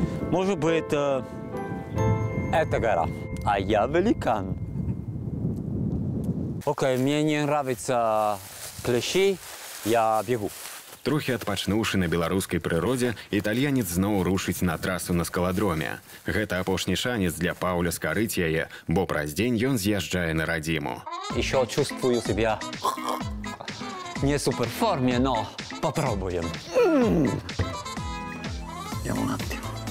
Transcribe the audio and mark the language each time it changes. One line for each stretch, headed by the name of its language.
Russian: Может быть, это гора. А я великан. Окей, мне не нравятся клещи, я бегу.
Belarusian: Трохи отпачнувши на беларускай прыроде, італьянец зноў рушыць на трасу на скаладроме. Гэта апошні шанец для Паўля скарыць яе, бо праз дзень ён з'язджае на радзіму.
Russian: Ещё чувствую себя не супер форме, но попробуем. Я вон оттыву.